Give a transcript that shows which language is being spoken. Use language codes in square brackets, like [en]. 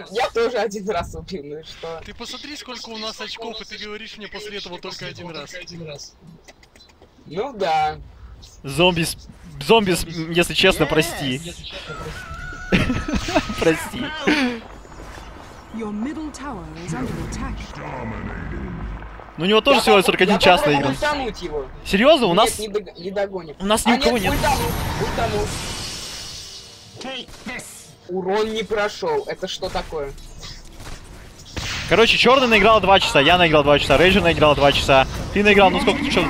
[ru] Я тоже один раз убил, ну и что? Ты посмотри, сколько у нас очков, и ты говоришь мне после этого только один раз. Ну да. Зомби, если честно, прости. Прости. [en] Your middle tower is under attack. [ru] Ну у него тоже всего 41 час наигран. Я попробую утонуть его. Серьезно, у нас... Нет, не догонит. У нас ни у кого нет. Утонул. Урон не прошел. Это что такое? Короче, черный наиграл 2 часа, я наиграл 2 часа, Рейджер наиграл 2 часа. Ты наиграл, ну сколько ты часов?